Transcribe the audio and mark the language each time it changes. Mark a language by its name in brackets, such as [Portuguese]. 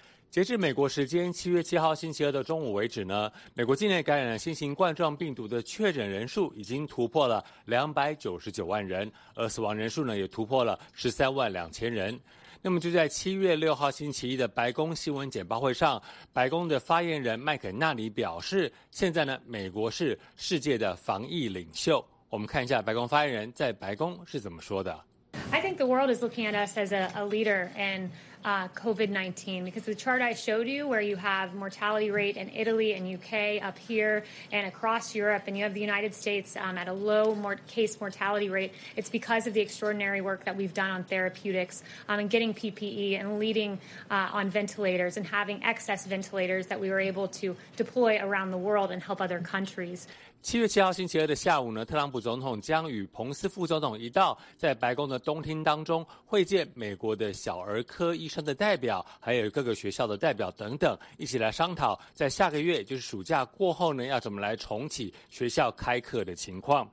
[Chinese] 截至美国时间7月7号星期二的中午为止呢，美国境内感染了新型冠状病毒的确诊人数已经突破了299万人，而死亡人数呢也突破了132000人。那么就在7月6号星期一的白宫新闻简报会上，白宫的发言人麦肯纳里表示，现在呢美国是世界的防疫领袖。我们看一下白宫发言人在白宫是怎么说的。 [English] I think the world is looking at us as a leader in COVID-19 because the chart I showed you where you have mortality rate in Italy and UK up here and across Europe and you have the United States at a low case mortality rate, it's because of the extraordinary work that we've done on therapeutics and getting PPE and leading on ventilators and having excess ventilators that we were able to deploy around the world and help other countries. [Chinese] 7月7号星期二的下午呢，特朗普总统将与彭斯副总统一道在白宫的东厅当中会见美国的小儿科医生的代表，还有各个学校的代表等等，一起来商讨在下个月就是暑假过后呢，要怎么来重启学校开课的情况。